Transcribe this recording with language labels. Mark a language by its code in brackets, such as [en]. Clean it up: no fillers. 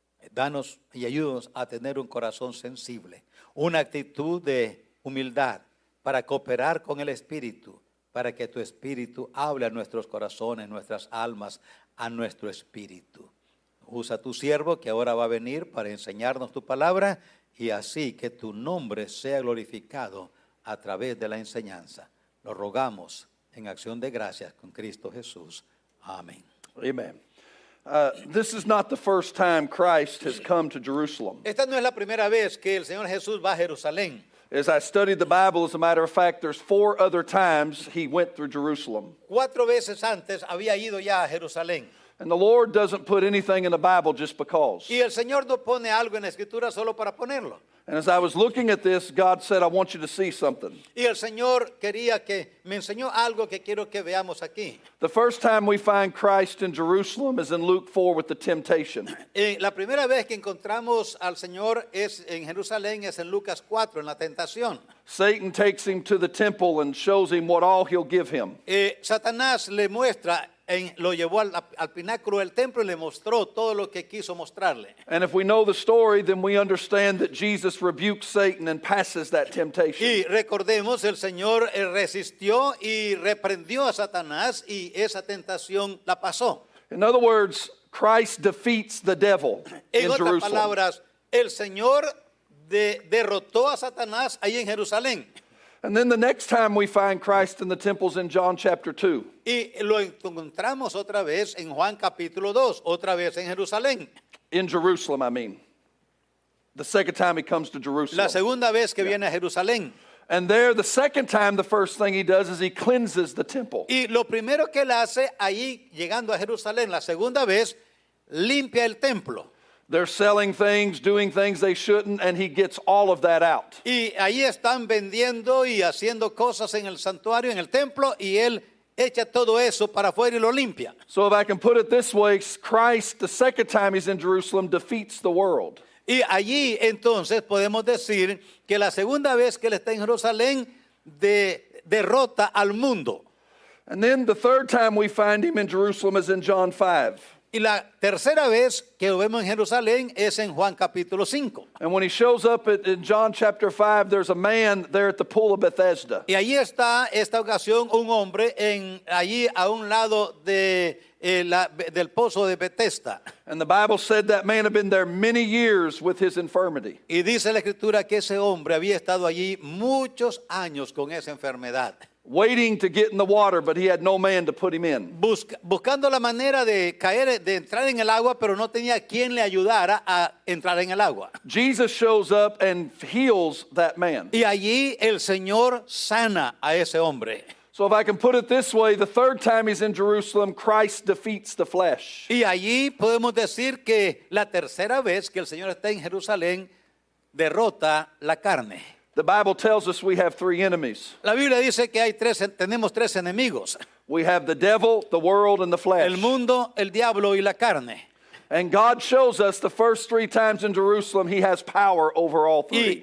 [es] Danos y ayúdanos a tener un corazón sensible, una actitud de humildad para cooperar con el Espíritu, para que tu Espíritu hable a nuestros corazones, nuestras almas, a nuestro espíritu. Usa tu siervo que ahora va a venir para enseñarnos tu palabra y así que tu nombre sea glorificado a través de la enseñanza. Lo rogamos en acción de gracias con Cristo Jesús. Amén. [en] Amen. This is not the first time Christ has come to Jerusalem. [es] Esta no es la primera vez que el Señor Jesús va a Jerusalén. [en] As I studied the Bible, as a matter of fact, there's four other times he went through Jerusalem. [es] Cuatro veces antes había ido ya a Jerusalén. [en] And the Lord doesn't put anything in the Bible just because. [es] Y el Señor no pone algo en la Escritura solo para ponerlo. [en] And as I was looking at this, God said, I want you to see something. [es] Y el Señor quería que me enseñó algo que quiero que veamos aquí. [en] The first time we find Christ in Jerusalem is in Luke 4 with the temptation. [es] La primera vez que encontramos al Señor es en Jerusalén, es en Lucas 4, en la tentación. [en] Satan takes him to the temple and shows him what all he'll give him. [es] Satanás le muestra, lo llevó al pináculo del templo y le mostró todo lo que quiso mostrarle. [en] And if we know the story, then we understand that Jesus rebuked Satan and passes that temptation. [es] Y recordemos, el Señor resistió y reprendió a Satanás y esa tentación la pasó. [en] In other words, Christ defeats the devil in Jerusalem. [es] En otras palabras, el Señor derrotó a Satanás ahí en Jerusalén. [en] And then the next time we find Christ in the temples in John chapter 2. [es] Y lo encontramos otra vez en Juan capítulo 2, otra vez en Jerusalén. [en] In Jerusalem, I mean. The second time he comes to Jerusalem. [es] La segunda vez que viene a Jerusalén. [en] And there, the second time, the first thing he does is he cleanses the temple. [es] Y lo primero que él hace ahí, llegando a Jerusalén, la segunda vez, limpia el templo. [en] They're selling things, doing things they shouldn't, and he gets all of that out. [es] Y ahí están vendiendo y haciendo cosas en el santuario, en el templo, y él echa todo eso para afuera y lo limpia. [en] So if I can put it this way, Christ, the second time he's in Jerusalem, defeats the world. [es] Y allí entonces podemos decir que la segunda vez que él está en Jerusalén derrota al mundo. [en] And then the third time we find him in Jerusalem is in John 5. [es] Y la tercera vez que lo vemos en Jerusalén es en Juan capítulo 5. [en] And when he shows up in John chapter 5, there's a man there at the pool of Bethesda. [es] Y allí está esta ocasión un hombre allí a un lado del pozo de Bethesda. [en] And the Bible said that man had been there many years with his infirmity. [es] Y dice la escritura que ese hombre había estado allí muchos años con esa enfermedad. [en] Waiting to get in the water, but he had no man to put him in. [es] Buscando la manera de caer, de entrar en el agua, pero no tenía quien le ayudara a entrar en el agua. [en] Jesus shows up and heals that man. [es] Y allí el Señor sana a ese hombre. [en] So if I can put it this way, the third time he's in Jerusalem, Christ defeats the flesh. [es] Y allí podemos decir que la tercera vez que el Señor está en Jerusalén, derrota la carne. [en] The Bible tells us we have three enemies. [es] La Biblia dice que tenemos tres enemigos. [en] We have the devil, the world, and the flesh. [es] El mundo, el diablo, y la carne. [en] And God shows us the first three times in Jerusalem he has power over all three.